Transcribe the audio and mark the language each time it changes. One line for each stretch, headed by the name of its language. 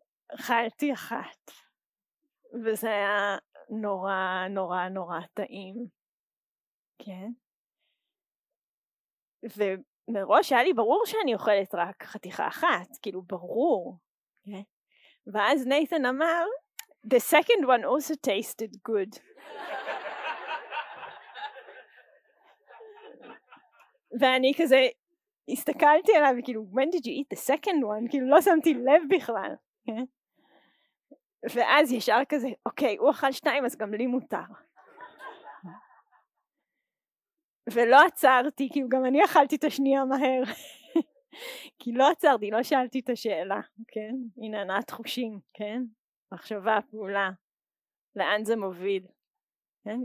Hebrew: ואכלתי אחת, וזה היה נורא נורא נורא טעים, כן? ומראש היה לי ברור שאני אוכלת רק חתיכה אחת, כאילו ברור, כן? ואז נייתן אמר,
English: The second one also tasted good.
Hebrew: ואני כזה, הסתכלתי עליו, כאילו,
English: when did you eat the second one?
Hebrew: כאילו, לא שמתי לב בכלל. ואז ישר כזה, אוקיי, הוא אכל שתיים, אז גם לי מותר. ולא עצרתי, כי גם אני אכלתי את השנייה מהר. כי לא עצרתי, לא שאלתי את השאלה, כן? הנה, נעה תחושים, כן? מחשבה, פעולה. לאן זה מוביל? כן?